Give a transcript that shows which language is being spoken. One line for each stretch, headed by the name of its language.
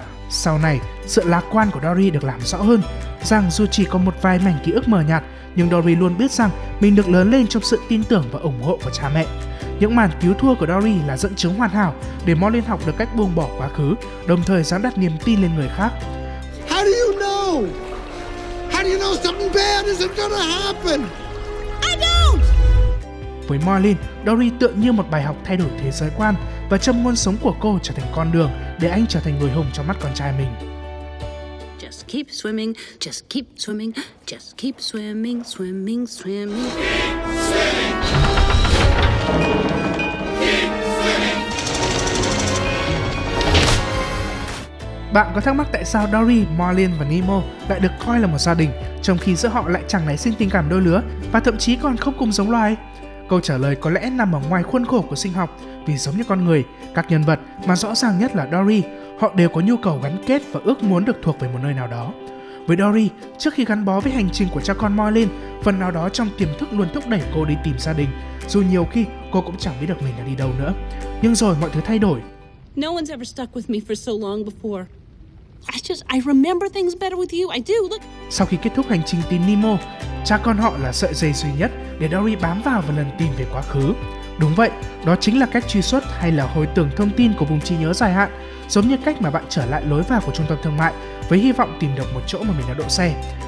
Vietnamese: Sau này, sự lạc quan của Dory được làm rõ hơn, rằng dù chỉ có một vài mảnh ký ức mờ nhạt, nhưng Dory luôn biết rằng mình được lớn lên trong sự tin tưởng và ủng hộ của cha mẹ. Những màn cứu thua của Dory là dẫn chứng hoàn hảo để Marlin học được cách buông bỏ quá khứ, đồng thời dám đặt niềm tin lên người khác.
English: How do you know? How do you know something bad isn't gonna happen? I don't!
Vietnamese: Với Marlin, Dory tựa như một bài học thay đổi thế giới quan và châm ngôn sống của cô trở thành con đường để anh trở thành người hùng trong mắt con trai mình.
English: Just keep swimming, just keep swimming, just keep swimming, swimming, swimming. Keep swimming.
Vietnamese: Bạn có thắc mắc tại sao Dory, Marlin và Nemo lại được coi là một gia đình, trong khi giữa họ lại chẳng nảy sinh tình cảm đôi lứa và thậm chí còn không cùng giống loài? Câu trả lời có lẽ nằm ở ngoài khuôn khổ của sinh học, vì giống như con người, các nhân vật mà rõ ràng nhất là Dory, họ đều có nhu cầu gắn kết và ước muốn được thuộc về một nơi nào đó. Với Dory, trước khi gắn bó với hành trình của cha con Marlin, phần nào đó trong tiềm thức luôn thúc đẩy cô đi tìm gia đình, dù nhiều khi cô cũng chẳng biết được mình đã đi đâu nữa. Nhưng rồi mọi thứ thay đổi.
English: No one's ever stuck with me for so long before. I remember things better with you. I do. Look.
Vietnamese: Sau khi kết thúc hành trình tìm Nemo, cha con họ là sợi dây duy nhất để Dory bám vào và lần tìm về quá khứ. Đúng vậy, đó chính là cách truy xuất hay là hồi tưởng thông tin của vùng trí nhớ dài hạn, giống như cách mà bạn trở lại lối vào của trung tâm thương mại với hy vọng tìm được một chỗ mà mình đã đỗ xe.